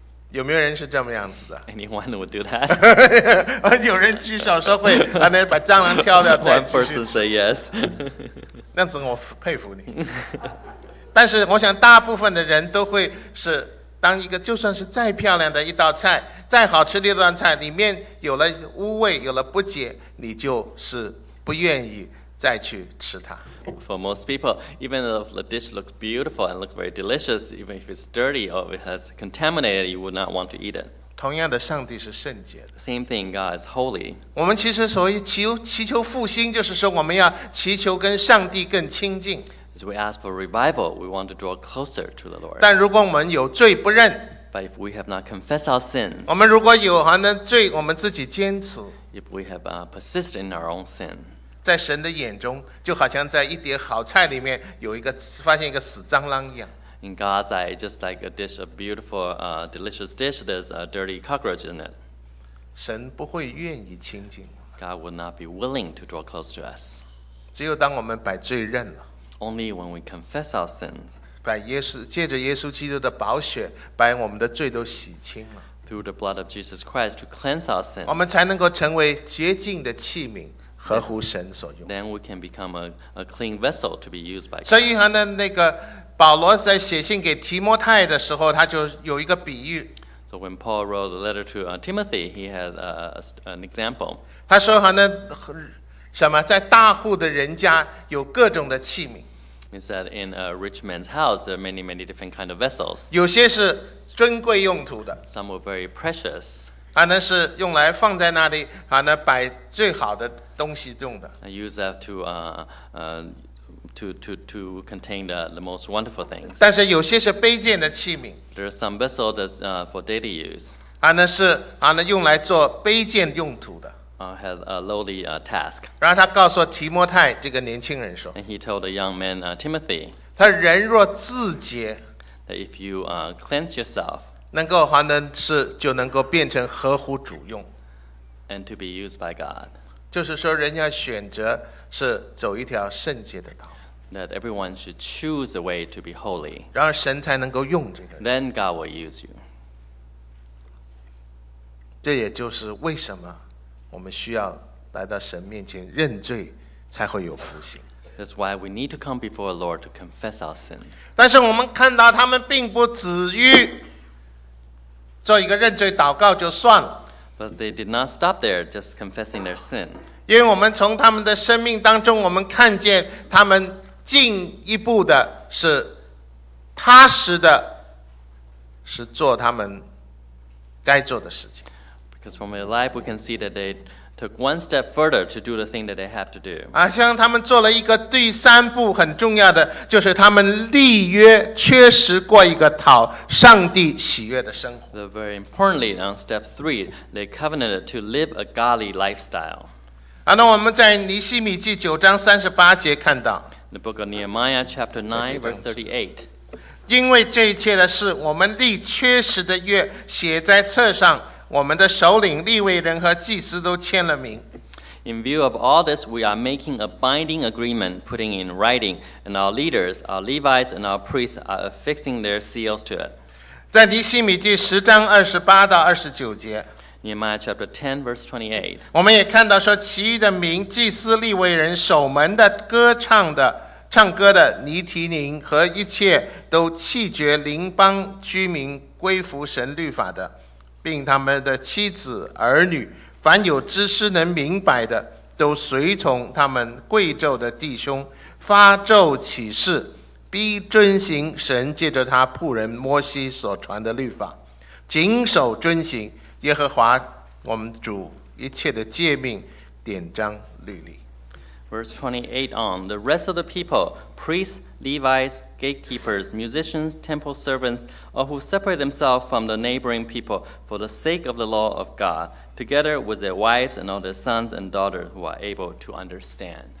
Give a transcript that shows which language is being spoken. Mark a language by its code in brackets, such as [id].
[zh] 有没有人是这么样子的？ [en] Anyone would do that? [zh] 有人举手说会，然后把蟑螂挑掉再继续吃。 [en] One person say yes. [zh] 那怎么我佩服你？但是我想大部分的人都会是当一个就算是再漂亮的一道菜，再好吃的一道菜，里面有了污味，有了不洁，你就是不愿意再去吃它。 [en] For most people, even if the dish looks beautiful and looks very delicious, even if it's dirty or it has contaminated, you would not want to eat it. [zh] 同样的，上帝是圣洁的。 [en] Same thing, God is holy. [zh] 我们其实所谓祈求复兴，就是说我们要祈求跟上帝更亲近。 [en] As we ask for revival, we want to draw closer to the Lord. [zh] 但如果我们有罪不认， [en] But if we have not confessed our sin, [zh] 我们如果有还能罪，我们自己坚持。 [en] If we have persisted in our own sin, [zh] 在神的眼中，就好像在一碟好菜里面有一个发现一个死蟑螂一样。 [en] In God's eye, just like a dish, a beautiful, delicious dish, there's a dirty cockroach in it. [zh] 神不会愿意亲近。 [en] God would not be willing to draw close to us. [zh] 只有当我们把罪认了。 [en] Only when we confess our sin, [zh] 把耶稣借着耶稣基督的宝血把我们的罪都洗清了。 [en] Through the blood of Jesus Christ to cleanse our sin, [zh] 我们才能够成为洁净的器皿，合乎神所用。 [en] Then we can become a clean vessel to be used by God. [zh] 所以呢，那个保罗在写信给提摩太的时候，他就有一个比喻。 [en] So when Paul wrote the letter to Timothy, he had an example. [zh] 他说呢，什么在大户的人家有各种的器皿。 [en] He said in a rich man's house there are many, many different kind of vessels. [zh] 有些是尊贵用途的。 [en] Some were very precious. [zh] 啊，那是用来放在那里，啊，那摆最好的东西用的。 [en] I use that to contain the most wonderful things. [zh] 但是有些是卑贱的器皿。 [en] There are some vessels that's for daily use. [zh] 啊，那是啊，那用来做卑贱用途的。 [en] Had a lowly task. [zh] 然后他告诉提摩太这个年轻人说， [en] And he told the young man Timothy, [zh] 他人若自洁， [en] that if you cleanse yourself, [zh] 能够还能是就能够变成合乎主用， [en] and to be used by God. [zh] 就是说人要选择是走一条圣洁的道， [en] that everyone should choose a way to be holy. [zh] 然后神才能够用这个， [en] then God will use you. [zh] 这也就是为什么我们需要来到神面前认罪，才会有复兴。 [en] That's why we need to come before the Lord to confess our sin. [zh] 但是我们看到他们并不止于做一个认罪祷告就算了。 [en] But they did not stop there, just confessing their sin. [zh] 因为我们从他们的生命当中，我们看见他们进一步的是踏实的，是做他们该做的事情。 [en] Because from their life, we can see that they took one step further to do the thing that they have to do. [zh] 啊，像他们做了一个第三步很重要的，就是他们立约，确实过一个讨上帝喜悦的生活。 [en] The very importantly, on step three, they covenanted to live a godly lifestyle. [zh] 啊，那我们在尼希米记九章三十八节看到。 [en] The book of Nehemiah, chapter 9, verse 38. [zh] 因为这一切的事，我们立确实的约，写在册上。我们的首领利未人和祭司都签了名。 [en] In view of all this, we are making a binding agreement, putting in writing, and our leaders, our Levites, and our priests are affixing their seals to it. [zh] 在尼希米记十章二十八到二十九节， [en] Nehemiah chapter 10 verse 28， [zh] 我们也看到说，其余的民、祭司、利未人、守门的、歌唱的、唱歌的、尼提宁和一切都弃绝邻邦居民，归服神律法的。并他们的妻子儿女，凡有知识能明白的，都随从他们贵胄的弟兄发咒起誓，必遵行神借着他仆人摩西所传的律法，谨守遵行耶和华我们主一切的诫命、典章、律例。 [en] Verse 28 on, the rest of the people, priests, Levites, gatekeepers, musicians, temple servants, or who separate themselves from the neighboring people for the sake of the law of God, together with their wives and all their sons and daughters who are able to understand.